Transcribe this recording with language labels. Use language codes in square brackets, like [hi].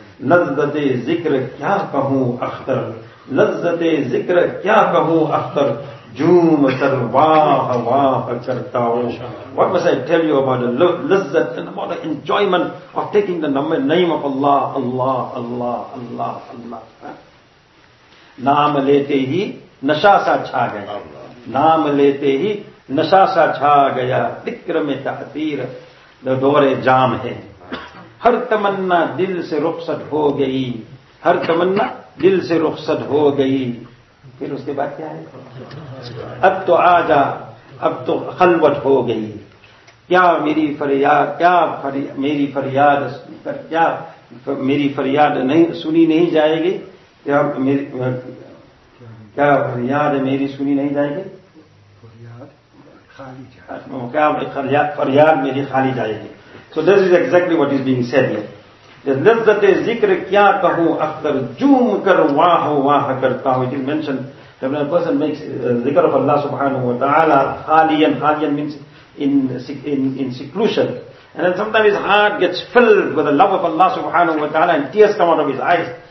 [ur] لذتِ ذکر کیا کہوں اختر, لذتِ ذکر کیا کہوں اختر, جوم سر واہ واہ کرتا ہوں. [en] What must I tell you about the lizzat and about the enjoyment of taking the name of Allah, Allah, Allah, Allah, Allah. [ur] نام لیتے ہی نشا سا چھا گیا, نام لیتے ہی نشا سا چھا گیا, ذکر میں تحتیر دور جام ہے. ہر تمنا دل سے رخصت ہو گئی, ہر تمنا دل سے رخصت ہو گئی. پھر اس کے بعد کیا ہے؟ اب تو آ جا, اب تو خلوت ہو گئی, کیا میری فریاد, کیا میری فریاد, کیا میری فریاد نہیں سنی نہیں جائے گی, کیا میری فریاد میری سنی نہیں جائے گی, کیا فریاد میری خالی جائے گی. [en] So this is exactly what is being said here. The [ur] lizzat-e zikr kya kahu akhtar, joom kar wah wah karta hu. [en] It is mentioned that when a person makes zikr of Allah subhanahu wa ta'ala, khaliyan, khaliyan means in seclusion. And then sometimes his heart gets filled with the love of Allah subhanahu wa ta'ala and tears come out of his eyes.